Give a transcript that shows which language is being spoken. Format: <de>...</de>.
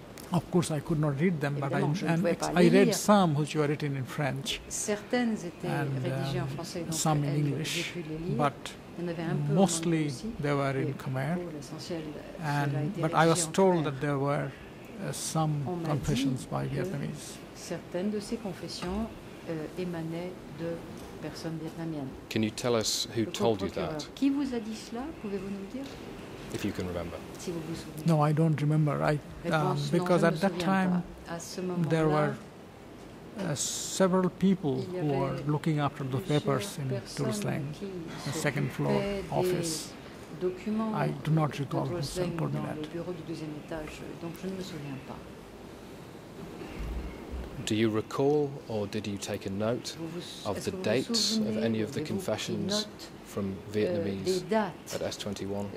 <en>of course I could not read them, but I read some which were written in French and some in English, but mostly they were in Khmer, but I was told that there were some confessions by Vietnamese.</en> <fr>Certaines de ces confessions émanaient de personnes vietnamiennes.</fr> <en>Can you tell us who told you that?</en> <fr>Qui vous a dit cela? Pouvez-vous nous le dire?</fr> <en>If you can remember.</en> <fr>Si vous vous souvenez.</fr> <en>No, I don't remember. Because at that time, there were several people who were looking after the papers in Tulslang, the second floor office. I do not recall myself told me that.</en> <fr>Le bureau du deuxième étage, donc je ne me souviens pas.</fr> <en>Do you recall, or did you take a note of the dates of any of the confessions from Vietnamese at S21?</en>